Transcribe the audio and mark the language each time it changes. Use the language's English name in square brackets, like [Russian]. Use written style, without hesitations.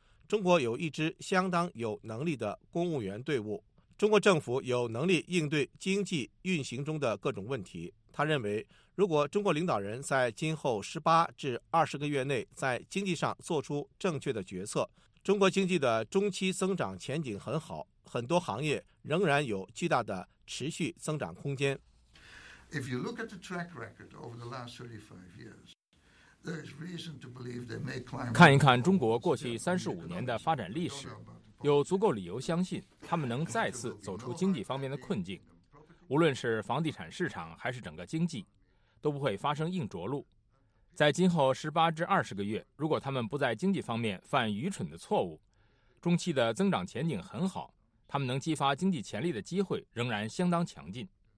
[Chinese] 中国有一支相当有能力的公务员队伍，中国政府有能力应对经济运行中的各种问题。他认为，如果中国领导人在今后18至20个月内在经济上做出正确的决策，中国经济的中期增长前景很好，很多行业仍然有巨大的持续增长空间。 [English] If you look at the track record over the last 35 years, there is reason to believe they may climb. [Chinese] 看一看中国过去35年的发展历史，有足够理由相信他们能再次走出经济方面的困境，无论是房地产市场还是整个经济，都不会发生硬着陆。在今后18至20个月，如果他们不在经济方面犯愚蠢的错误，中期的增长前景很好，他们能激发经济潜力的机会仍然相当强劲。